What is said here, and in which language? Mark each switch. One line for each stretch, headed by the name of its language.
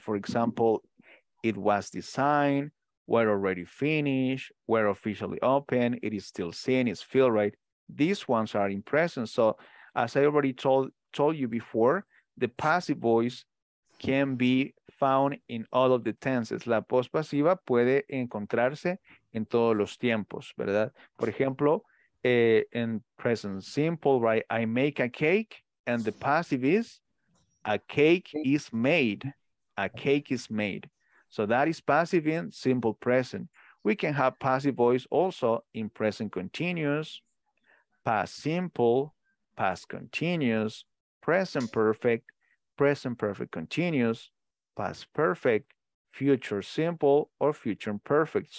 English: For example, it was designed, were already finished, were officially open, it is still seen, it's filled, right? These ones are in present. So as I already told you before, the passive voice can be found in all of the tenses.
Spanish: La post pasiva puede encontrarse en todos los tiempos, ¿verdad? Por ejemplo,
English: in present simple, right? I make a cake, and the passive is a cake is made. A cake is made. So that is passive in simple present. We can have passive voice also in present continuous, past simple, past continuous, present perfect continuous, past perfect, future simple, or future imperfect.